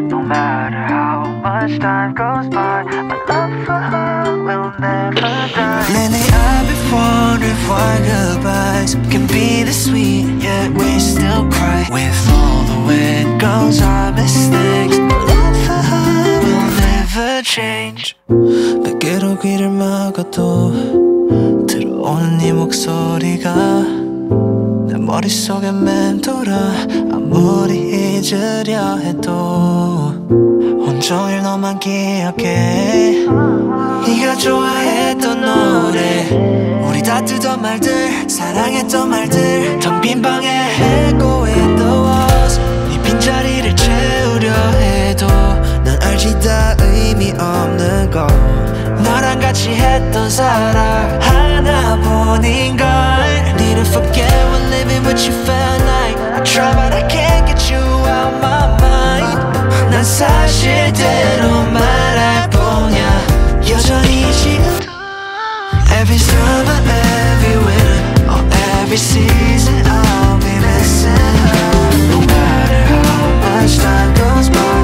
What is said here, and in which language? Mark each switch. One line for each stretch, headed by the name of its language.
English: No matter how much time goes by, my love for her will never die. Lately I've been wondering if our goodbyes can be this sweet, yet we still cry. With all the wind goes our mistakes, my love for her will never change.
Korean: 내게로 귀를 막아도 들어오는 네 목소리가 내 머릿속에 맴돌아. 아무리 잊으려 해도 온종일 너만 기억해. 네가 좋아했던 노래, 우리 다투던 말들, 사랑했던 말들, 텅 빈 방에
English: echo in the walls.
Korean: 네 빈자리를 채우려 해도 난 알지, 다 의미 없는 걸. 너랑 같이 했던 사랑 하나뿐인 걸.
English: Need to forget when living with you felt like. I try but I can't get you out my mind.
Korean: 난 사실대로 말할 뿐이야 여전히 지금.
English: Every summer, every winter, or every season, I'll be missing her. No matter how much time goes by,